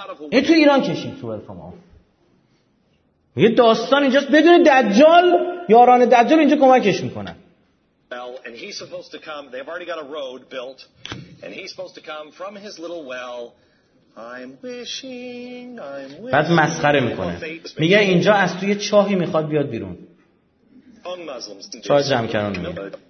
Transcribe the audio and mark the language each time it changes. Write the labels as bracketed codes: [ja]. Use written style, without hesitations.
[fa] این تو ایران کشید 12th Imam. یه داستان اینجاست، بدون دجال، یاران دجال اینجا کمکش میکنن. [en] Well, and he's supposed to come. They've already got a road built and he's supposed to come from his little well. I'm wishing. [fa] بعد مسخره میکنه، میگه اینجا از توی چاهی میخواد بیاد بیرون، چاه جمع کردن میگه.